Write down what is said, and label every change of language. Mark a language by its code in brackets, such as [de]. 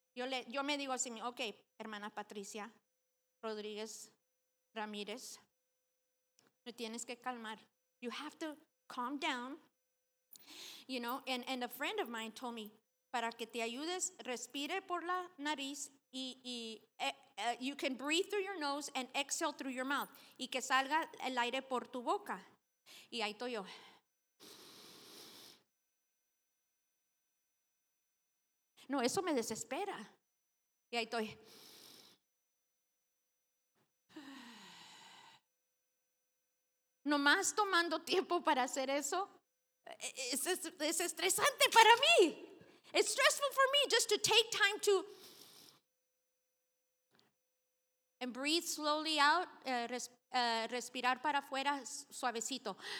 [es] Yo me digo así, ok, hermana Patricia Rodríguez Ramírez, me tienes que calmar. [en] You have to calm down, you know. And a friend of mine told me, [es] para que te ayudes, respire por la nariz [en] you can breathe through your nose and exhale through your mouth. [es] Y que salga el aire por tu boca. Y ahí estoy yo. No, eso me desespera. Y ahí estoy. Nomás tomando tiempo para hacer eso, es estresante para mí. [en] It's stressful for me just to take time to and breathe slowly out, [es] respirar para afuera suavecito.